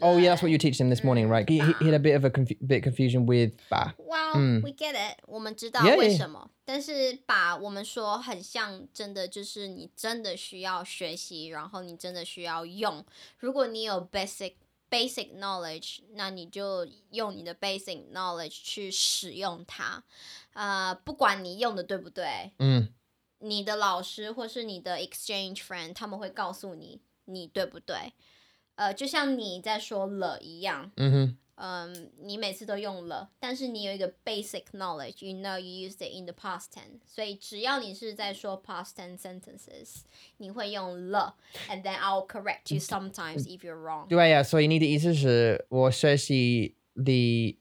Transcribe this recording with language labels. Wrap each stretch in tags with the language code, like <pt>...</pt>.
<en>Oh yeah, that's what you teach him this morning, right? He had a bit of a confusion with 拔. Well, we get it.</en> <zh>我们知道为什么。</zh> <en>Yeah, yeah.</en> <zh>但是拔我们说很像真的就是你真的需要学习然后你真的需要用。如果你有 basic knowledge, 那你就用你的 basic knowledge 去使用它。不管你用的对不对。你的老师或是你的 exchange friend, 他们会告诉你你对不对。就像你在说了一样。你每次都用了但是你有一个</zh> <en>basic knowledge, you know you used it in the past tense.</en> <zh>所以只要你是在说</zh> <en>past tense sentences,</en> <zh>你会用了</zh> <en>and then I'll correct you sometimes if you're wrong.</en> <zh>对啊，所以你的意思是我学习</zh> <en>the...</en>